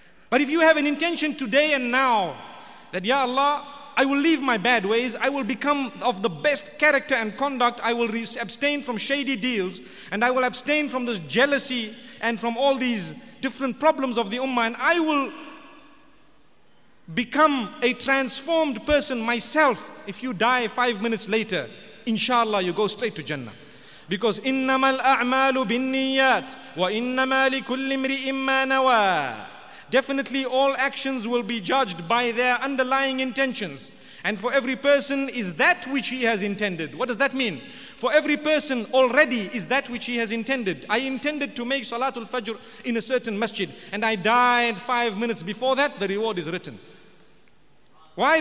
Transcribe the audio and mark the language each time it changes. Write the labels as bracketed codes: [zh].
[en] But if you have an intention today and now that, Ya Allah, I will leave my bad ways, I will become of the best character and conduct, I will abstain from shady deals, and I will abstain from this jealousy and from all these different problems of the ummah, and I will become a transformed person myself. If you die 5 minutes later, inshallah, you go straight to Jannah. Because [ar] إِنَّمَا الْأَعْمَالُ بِالنِّيَّاتِ وَإِنَّمَا لِكُلِّ امْرِئٍ مَا نَوَى. [en] Definitely all actions will be judged by their underlying intentions. And for every person is that which he has intended. What does that mean? For every person already is that which he has intended. I intended to make Salatul Fajr in a certain masjid, and I died 5 minutes before that, the reward is written. Why?